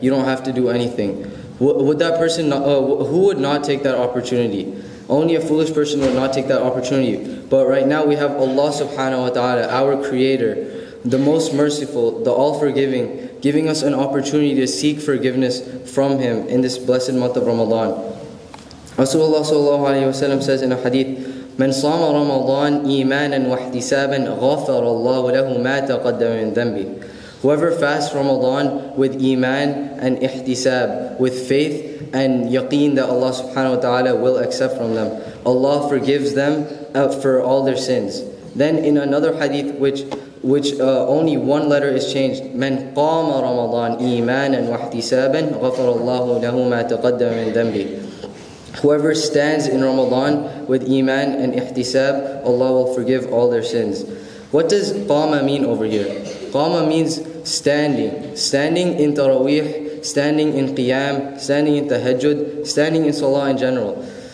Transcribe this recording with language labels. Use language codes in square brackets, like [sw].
[en] You don't have to do anything. Would that person who would not take that opportunity? Only a foolish person would not take that opportunity. But right now we have Allah subhanahu wa ta'ala, our creator, the most merciful, the all-forgiving, giving us an opportunity to seek forgiveness from him in this blessed month of Ramadan. Rasulullah sallallahu alayhi wa sallam says in a hadith, [ar] من صام رمضان إيمانا واحتسابا غفر الله له ما تقدم من ذنبه. [en] Whoever fasts Ramadan with iman and ihtisab, with faith and yaqeen that Allah subhanahu wa ta'ala will accept from them, Allah forgives them for all their sins. Then in another hadith, which only one letter is changed, [ar] من قام رمضان إيمانا واحتسابا غفر الله له ما تقدم من ذنبه. [en] Whoever stands in Ramadan with iman and ihtisab, Allah will forgive all their sins. What does qama mean over here? Qama means standing. Standing in taraweeh, standing in qiyam, standing in tahajjud, standing in salah in general.